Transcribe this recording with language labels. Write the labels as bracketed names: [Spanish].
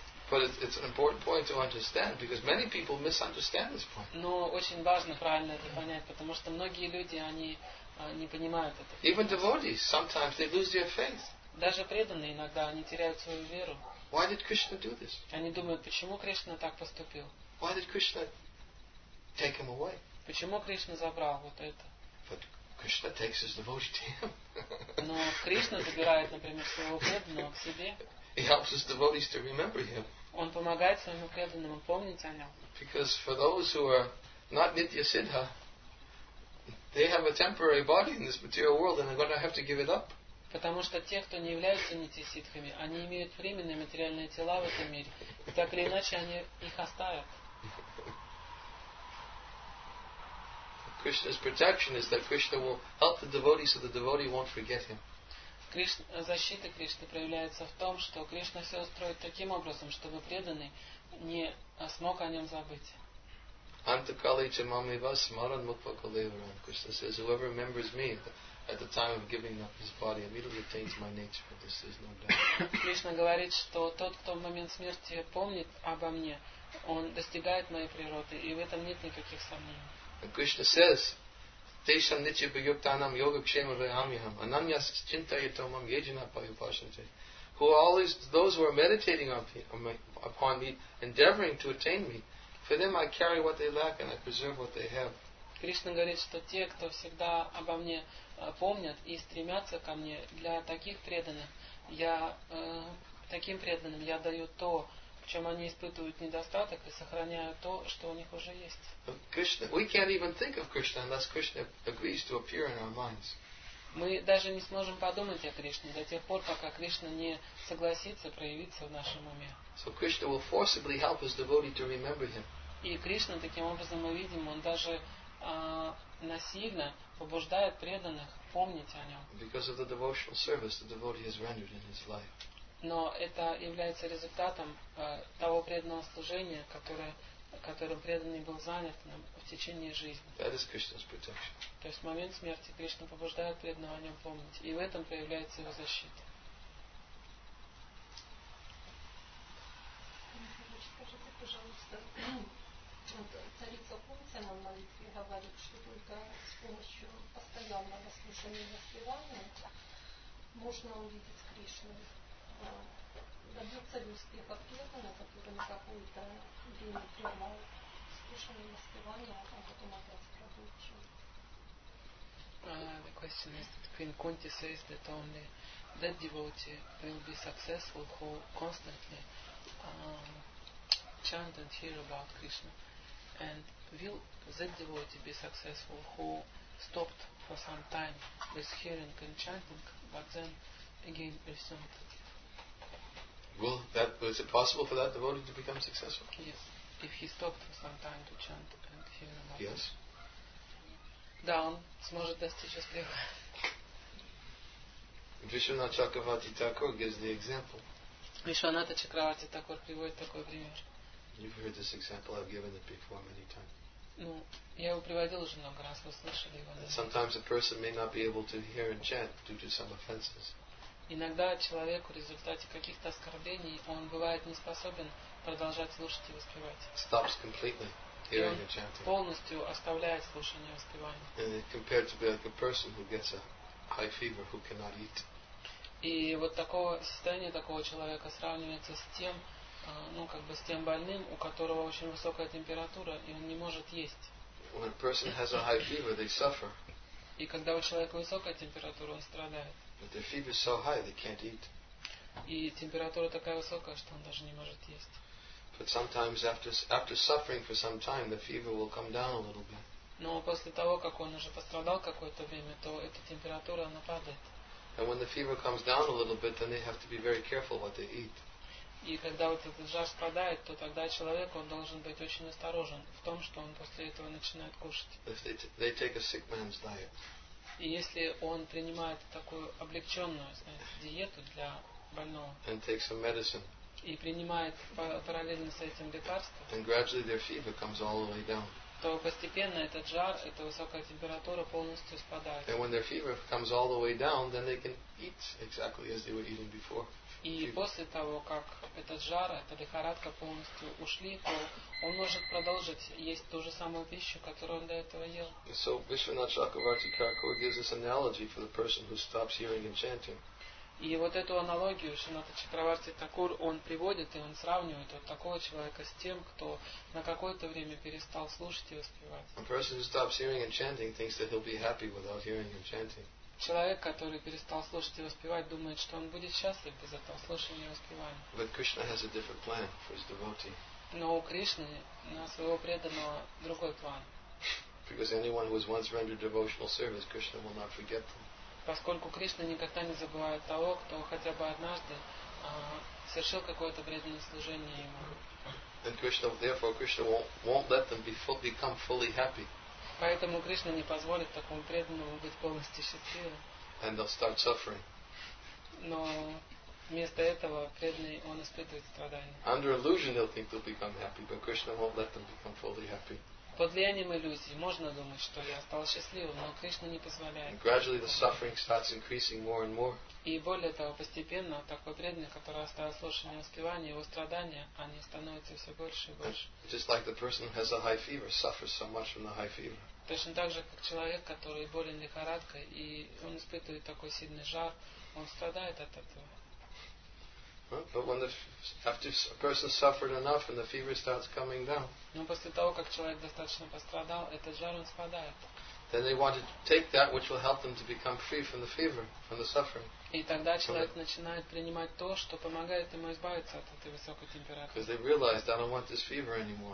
[English] But it's an important point to understand, because many people misunderstand this point. [Russian] Но очень важно правильно это понять, потому что многие люди они не понимают это. [English] Even devotees sometimes they lose their faith. [Russian] Даже преданные иногда они теряют свою веру. [English] Why did Krishna do this? [Russian] Они думают, почему Кришна так поступил? [English] Why did Krishna take him away? [Russian] Почему Кришна забрал вот это? [English] But Krishna takes his devotee to him. [Russian] Но Кришна забирает, например, своего преданного к себе. [English] He helps his devotees to remember him. [Russian] Он помогает своему преданному помнить о нем. [English] Because for those who are not Nitya Siddha, they have a temporary body in this material world and they're going to have to give it up. [Russian] Потому что те, кто не являются нитисидхами, они имеют временные материальные тела в этом мире. И так или иначе, они их оставят. [English] Krishna's protection is that Krishna will help the devotee so the devotee won't forget him. [Russian] Защита Кришны проявляется в том, что Кришна все устроит таким образом, чтобы преданный не смог о нем забыть. [Sanskrit] Antakali chamamiva smaran mukva kalevaram. [English] Krishna says, whoever remembers me, at the time of giving up his body immediately attains my nature. But this is no doubt. [Russian] Кришна говорит, что тот, кто в момент смерти помнит обо мне, он достигает моей природы, и в этом нет никаких сомнений. [Sanskrit] Кришна says, Тешам ниче бьюктанам йога кшема вьямиам ананьяс чинтайетомам еджина паюпашнете. [English] Who are all those who are meditating upon me, endeavoring to attain me? For them I carry what they lack and I preserve what they have. [Russian] Кришна говорит, что те, кто всегда обо мне помнят и стремятся ко мне, для таких преданных я таким преданным я даю то, в чем они испытывают недостаток, и сохраняю то, что у них уже есть. [English] Krishna, we can't even think of Krishna unless Krishna agrees to appear in our minds. [Russian] Мы даже не сможем подумать о Кришне до тех пор, пока Кришна не согласится проявиться в нашем уме. [English] So Krishna will forcibly help his devotee to remember him. [Russian] И Кришна таким образом, мы видим, он даже насильно побуждает преданных помнить о нем. [English] Because of the devotional service the devotee has rendered in his life. [Russian] Но это является результатом того преданного служения, которым преданный был занят в течение жизни. [English] That is Krishna's protection. [Russian] То есть в момент смерти Кришна побуждает преданного о нем помнить, и в этом проявляется его защита. Скажите, пожалуйста, царица Кунти на молитве говорит, что только с помощью постоянного слушания воспевания можно увидеть Кришну. Добьется ли успеха преданного, который на какое-то время прервал слушание воспевания, а потом опять продолжил? [English] The question is that Queen Kunti says that only that devotee will be successful who constantly chant and hear about Krishna. And will that devotee be successful who stopped for some time with hearing and chanting, but then again resumed? Will that, is it possible for that devotee to become successful? Yes. If he stopped for some time to chant and hear about Krishna. Yes. [Russian] Да, он сможет достичь успеха. [English] Вишванатха Чакраварти Такур gives the example. [Russian] Вишванатха Чакраварти Такур приводит такой пример. [English] You've heard this example. I've given it before many times. [Russian] Ну, я его приводил уже много раз. Вы слышали его. [English] Sometimes a person may not be able to hear and chant due to some offenses. [Russian] Иногда человек в результате каких-то оскорблений он бывает не способен продолжать слушать и воспевать. [English] Stops completely. [Russian] И он полностью оставляет слушание воспевания. [English] And compared to be like a person who gets a high fever who cannot eat. [Russian] И вот такое состояние такого человека сравнивается с тем, ну как бы с тем больным, у которого очень высокая температура и он не может есть. [English] When a person has a high fever, they suffer. [Russian] И когда у человека высокая температура, он страдает. [English] But their fever is so high they can't eat. [Russian] И температура такая высокая, что он даже не может есть. [English] But sometimes after suffering for some time the fever will come down a little bit. [Russian] Но после того, как он уже пострадал какое-то время, то эта температура она падает. [English] And when the fever comes down a little bit, then they have to be very careful what they eat. [Russian] И когда вот этот жар спадает, то тогда человек он должен быть очень осторожен в том, что он после этого начинает кушать. [English] If they take a sick man's diet. [Russian] И если он принимает такую облегченную, диету для больного. [English] And takes some medicine. [Russian] И принимает параллельно с этим лекарство, [English] and gradually their fever comes all the way down. [Russian] То постепенно этот жар, эта высокая температура полностью спадает. [English] And when their fever comes all the way down, then they can eat exactly as they were eating before. [Russian] И после того, как этот жар, эта лихорадка полностью ушли, то он может продолжить есть ту же самую пищу, которую он до этого ел. [English] So Vishwanath Chakravarti Thakur gives us analogy for the person who stops hearing and chanting. [Russian] И вот эту аналогию Шинатха Чакраварти Такур он приводит и он сравнивает вот такого человека с тем, кто на какое-то время перестал слушать и воспевать. Человек, который перестал слушать и воспевать, думает, что он будет счастлив без этого слушания и воспевания. Но у Кришны на своего преданного другой план. [English] Because anyone who has once rendered devotional service, Krishna will not forget them. [Russian] Поскольку Кришна никогда не забывает того, кто хотя бы однажды совершил какое-то преданное служение ему. [English] And Krishna, therefore, Krishna won't let them become fully happy. [Russian] Поэтому Кришна не позволит такому преданному быть полностью счастливым. [English] And they'll start suffering. [Russian] Но вместо этого преданный он испытывает страдания. [English] Under illusion, they'll think they'll become happy, but Krishna won't let them become fully happy. [Russian] под влиянием иллюзий можно думать, что я стал счастливым, но Кришна не позволяет. [English] Gradually the suffering starts increasing more and more. [Russian] И более того, постепенно такой преданный, который оставил слушание воспевания, его страдания, они становятся все больше и больше. [English] Just like the person who has a high fever suffers so much from the high fever. [Russian] Точно так же, как человек, который болен лихорадкой, и он испытывает такой сильный жар, он страдает от этого. [English] But when after a person suffered enough and the fever starts coming down, [Russian] но после того, как человек достаточно пострадал, этот жар он спадает. [English] Then they want to take that which will help them to become free from the fever, from the suffering. [Russian] И тогда человек начинает принимать то, что помогает ему избавиться от этой высокой температуры. [English] Because they realize, I don't want this fever anymore.